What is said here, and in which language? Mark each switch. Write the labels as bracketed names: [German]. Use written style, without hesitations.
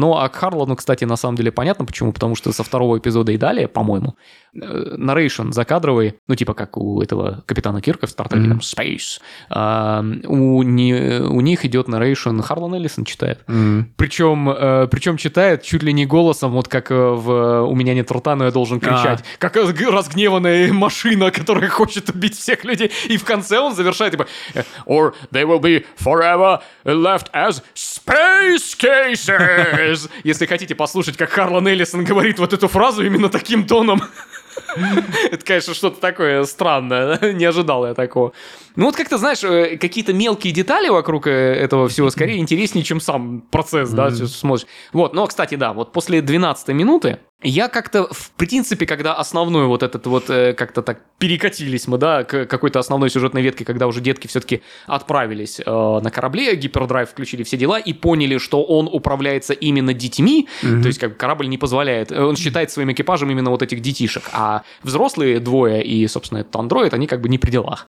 [Russian] Ну, а к Харлану, кстати, на самом деле понятно, почему. Потому что со второго эпизода и далее, по-моему, нарейшн закадровый, ну, типа как у этого капитана Кирка в Стартреке, там, Space, у них идет нарейшн, Харлан Эллисон читает. Причем читает чуть ли не голосом, вот как в «У меня нет рта, но я должен кричать». Как разгневанная машина, которая хочет убить всех людей. И в конце он завершает, типа, [English] «Or they will be forever left as space cases». [Russian] Если хотите послушать, как Харлан Эллисон говорит вот эту фразу именно таким тоном. Это, конечно, что-то такое странное. Не ожидал я такого. Ну, вот как-то, знаешь, какие-то мелкие детали вокруг этого всего скорее интереснее, чем сам процесс, да, смотришь. Вот, ну, кстати, да, вот после 12-й минуты я как-то, в принципе, когда основной вот этот вот, как-то так перекатились мы, да, к какой-то основной сюжетной ветке, когда уже детки все-таки отправились на корабле, гипердрайв включили, все дела, и поняли, что он управляется именно детьми, то есть как корабль не позволяет, он считает своим экипажем именно вот этих детишек, а взрослые двое и, собственно, этот андроид, они как бы не при делах.